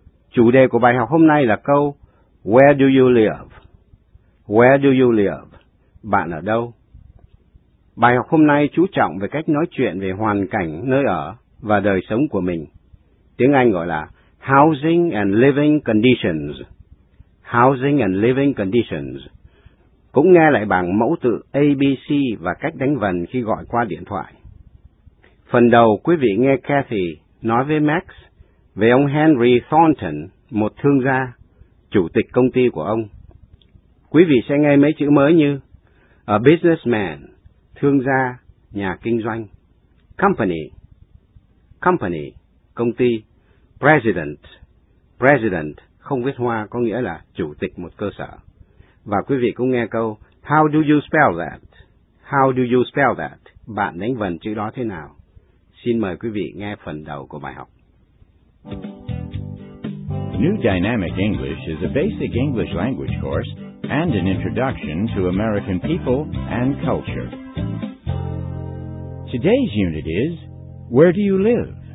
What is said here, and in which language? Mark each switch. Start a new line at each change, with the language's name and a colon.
Vietnamese: Chủ đề của bài học hôm nay là câu Where do you live?
English: Where do you live?
Vietnamese: Bạn ở đâu? Bài học hôm nay chú trọng về cách nói chuyện về hoàn cảnh nơi ở và đời sống của mình. Tiếng Anh gọi là Housing and Living Conditions.
English: Housing and Living Conditions.
Vietnamese: Cũng nghe lại bảng mẫu từ ABC và cách đánh vần khi gọi qua điện thoại. Phần đầu quý vị nghe Kathy nói với Max về ông Henry Thornton, một thương gia, chủ tịch công ty của ông. Quý vị sẽ nghe mấy chữ mới như a businessman, thương gia, nhà kinh doanh, company, company, công ty, president, president, không viết hoa có nghĩa là chủ tịch một cơ sở. Và quý vị cũng nghe câu,
English: how do you spell that? How do you spell that?
Vietnamese: Bạn đánh vần chữ đó thế nào? Xin mời quý vị nghe phần đầu của bài học.
English: New Dynamic English is a basic English language course and an introduction to American people and culture. Today's unit is, where do you live?